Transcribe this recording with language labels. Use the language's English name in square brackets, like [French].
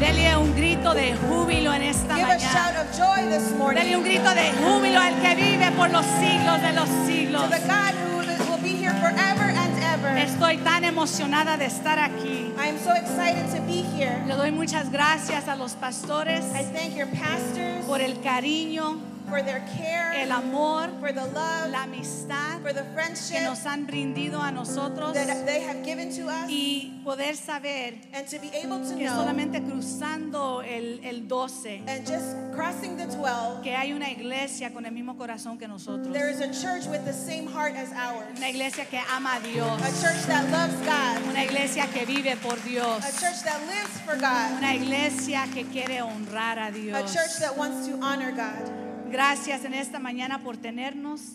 [Spanish] Dele un grito de júbilo en esta mañana. [English] Give a shout of joy this morning. [Spanish] Dele un grito de júbilo al que vive por los siglos de los siglos. [English] To the God who will be here forever and ever. [Spanish] Estoy tan emocionada de estar aquí. [English] I am so excited to be here. [Spanish] Le doy muchas gracias a los pastores. [English] I thank your pastors. [Spanish] Por el cariño. [English] For their care, [Spanish] el amor, [English] for the love, [Spanish] la amistad, [English] for the friendship, [Spanish] que nos han brindido a nosotros, [English] that they have given to us, [Spanish] y poder saber, [English] and to be able to [Spanish] que [English] know, [Spanish] solamente cruzando el 12, [English] and just crossing the 12, [Spanish] que hay una iglesia con el mismo corazón que nosotros, [English] there is a church with the same heart as ours, [Spanish] una iglesia que ama a Dios, [English] a church that loves God, [Spanish] una iglesia que vive por Dios, [English] a church that lives for God, [Spanish] una iglesia que quiere honrar a Dios, [English] a church that wants to honor God. [Spanish] Gracias en esta mañana por tenernos.